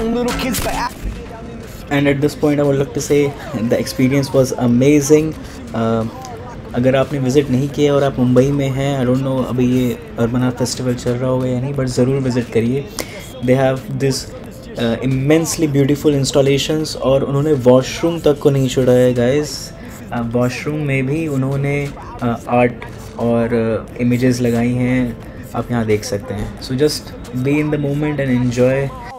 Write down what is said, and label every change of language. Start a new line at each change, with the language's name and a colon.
English: And at this point, I would like to say the experience was amazing.
Hindi: अगर आपने visit नहीं किया और आप मुंबई में हैं,
English: I don't know
Hindi: अभी ये अर्बन आर्ट फेस्टिवल चल रहा होगा या नहीं, but ज़रूर विजिट करिए.
English: They have this immensely beautiful installations
Hindi: और उन्होंने वॉशरूम तक को नहीं छोड़ा है, guys. वॉशरूम में भी उन्होंने आर्ट और इमेजेस लगाई हैं. आप यहाँ देख सकते हैं.
English: So just be in the moment and enjoy.